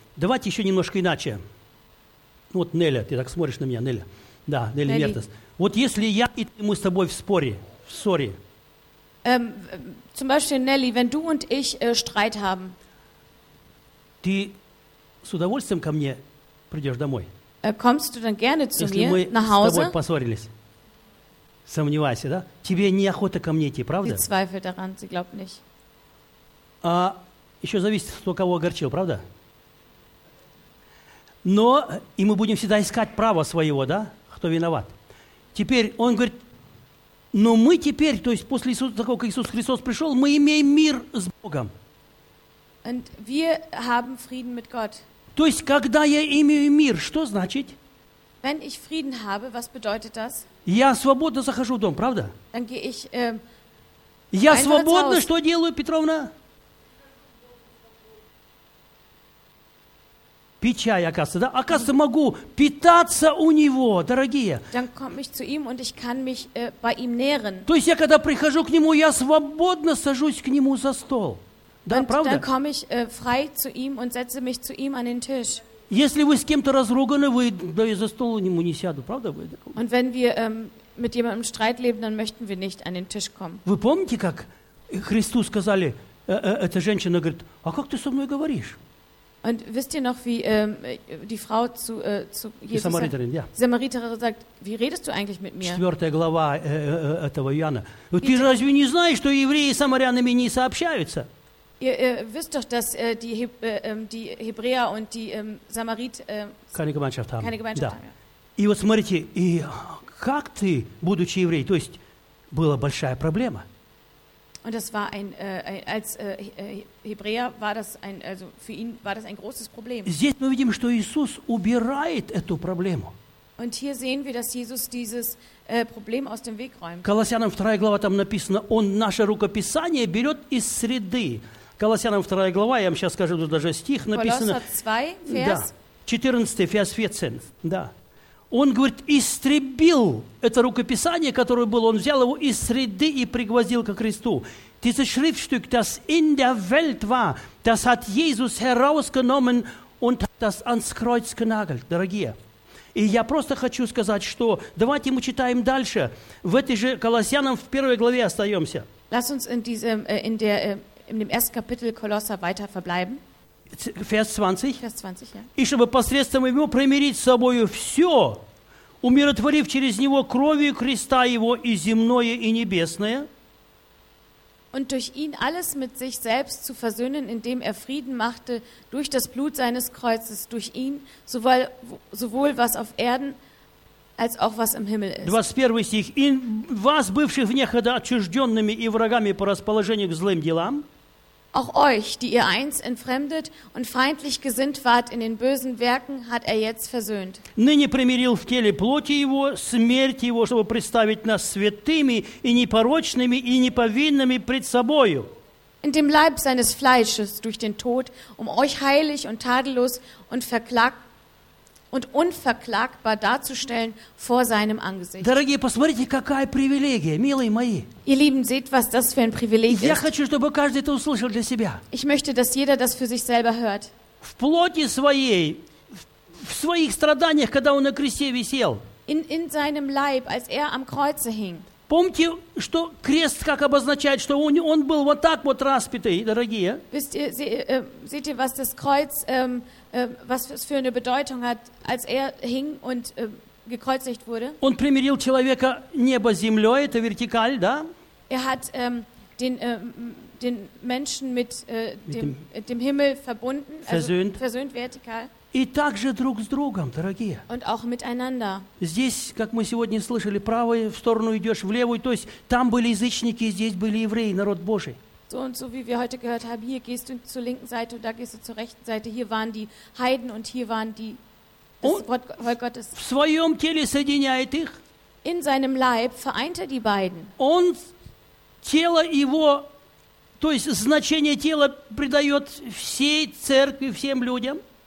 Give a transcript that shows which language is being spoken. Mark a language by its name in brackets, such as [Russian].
[Russian] Давайте еще немножко иначе. Вот Неля, ты так смотришь на меня, Неля. Да, Неля Мертес. Вот если я и ты, мы с тобой в споре, в ссоре. [German] Zum Beispiel Nelly, wenn du und ich Streit haben. [Russian] Ты с удовольствием ко мне придешь домой? [German] Kommst du dann gerne zu если mir nach Hause? [Russian] Если мы с тобой поссорились, сомневайся, да? Тебе неохота ко мне идти, правда? [German] Sie zweifelt daran, sie glaubt nicht. [Russian] А еще зависит, кто кого огорчил, правда? Но и мы будем всегда искать право своего, да? Кто виноват? Теперь он говорит. Но мы теперь, то есть после того, как Иисус Христос пришел, мы имеем мир с Богом. [German] Und wir haben Frieden mit Gott. [Russian] То есть, когда я имею мир, что значит? [German] Wenn ich Frieden habe, was bedeutet das? [Russian] Я свободно захожу в дом, правда? [German] Dann gehe ich, [Russian] я свободно, что делаю, Петровна? Пить чай, оказывается, да? Оказывается, могу питаться у него, дорогие. [German] Dann komme ich zu ihm und ich kann mich bei ihm nähren. [Russian] То есть я, когда прихожу к нему, я свободно сажусь к нему за стол. Да, [German] und [Russian] правда? [German] Dann komme ich frei zu ihm und setze mich zu ihm an den Tisch. [Russian] Если вы с кем-то разруганы, вы, да, я за стол к нему не сяду, правда? [German] Und wenn wir mit jemandem Streit leben, dann möchten wir nicht an den Tisch kommen. [Russian] Вы помните, как Христу сказали, эта женщина говорит, а как ты со мной говоришь? [German] Und wisst ihr noch, wie die Frau zu Jesus sagt, die Samariterin sagt, wie redest du eigentlich mit mir? [Russian] 4. глава этого Иоанна. Ты разве не знаешь, что евреи с самарянами не сообщаются? [German] Ihr wisst doch, dass die Hebräer und die Samarit keine Gemeinschaft haben. Keine Gemeinschaft haben. [Russian] И вот смотрите, и как ты, будучи еврей, то есть была большая проблема. [German] Und das war ein als Hebräer war das ein also für ihn war das ein großes Problem. [Russian] Здесь мы видим, что Иисус убирает эту проблему. [German] Und hier sehen wir, dass Jesus dieses Problem aus dem Weg räumt. [Russian] Колоссянам 2 глава там написано, он наше рукописание берет из среды. Колоссянам 2 глава, я вам сейчас скажу даже стих, написано. Колоссянам 2, vers? Да, [German] 14, vers 14, да. [Russian] Он говорит, истребил это рукописание, которое было, он взял его из среды и пригвоздил ко Христу. [German] Dieses Schriftstück, das in der Welt war, das hat Jesus herausgenommen und hat das ans Kreuz genagelt, дорогие. [Russian] И я просто хочу сказать, что давайте мы читаем дальше. В этой же Колоссянам в первой главе остаемся. [German] Lass uns in dem ersten Kapitel Kolosser weiter verbleiben. Vers 20. Vers 20, ja. [Russian] И чтобы посредством Его примирить с собою все, умиротворив через Него кровью Христа Его и земное, и небесное. [German] Und durch ihn alles mit sich selbst zu versöhnen, indem er Frieden machte, durch das Blut seines Kreuzes, durch ihn, sowohl was auf Erden, als auch was im Himmel ist. [Russian] 21 стих. И вас, бывших внехода отчужденными и врагами по расположению к злым делам, [German] Auch euch, die ihr einst entfremdet und feindlich gesinnt wart in den bösen Werken, hat er jetzt versöhnt. [Russian] Ныне примирил в теле плоти его смерть его, чтобы представить нас святыми и непорочными и неповинными пред собою. [German] In dem Leib seines Fleisches durch den Tod, um euch heilig und tadellos und unverklagbar darzustellen vor seinem Angesicht. [Russian] Дорогие, посмотрите, какая привилегия, милые мои. [German] Ihr Lieben, seht, was das für ein Privileg ist. [Russian] Я хочу, чтобы каждый это услышал для себя. [German] Ich möchte, dass jeder das für sich selber hört. [Russian] В плоти своей, в своих страданиях, когда он на кресте висел. [German] In seinem Leib, als er am Kreuze hing. [Russian] Помните, что крест как обозначает, что он был вот так вот распятый, дорогие? [German] Wisst ihr, seht ihr, was das Kreuz, was es für eine Bedeutung hat, als er hing und gekreuzigt wurde? [Russian] Он примирил человека небо с землей, это вертикаль, да? [German] Er hat den Menschen mit dem Himmel verbunden, versöhnt. Also versöhnt vertikal. [Russian] И также друг с другом, дорогие. [German] Und auch miteinander. [Russian] Здесь, как мы сегодня слышали, правую сторону идешь, в левую, то есть там были язычники, здесь были евреи, народ Божий. [German] So und so, wie wir heute gehört haben, hier gehst du zur linken Seite und da gehst du zur rechten Seite. Hier waren die Heiden und hier waren die Volk Gottes. [Russian] В своем теле соединяет их. [German] In seinem Leib vereint er die beiden. [Russian] Он тело его, то есть значение тела придает всей церкви, всем людям.